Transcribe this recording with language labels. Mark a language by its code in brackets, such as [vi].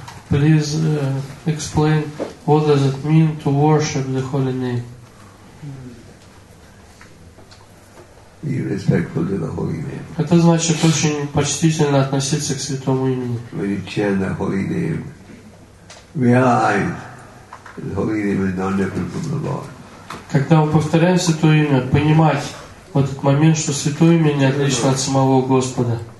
[en] please explain what does it mean to worship the holy name. Be respectful to the holy name. [ru] Это значит очень почтительно относиться к святому имени. [en] When you chant the holy name, realize that the holy name is not different from the Lord. [ru] Когда мы повторяем святое имя, понимать в этот момент, что святое имя не отлично от самого Господа.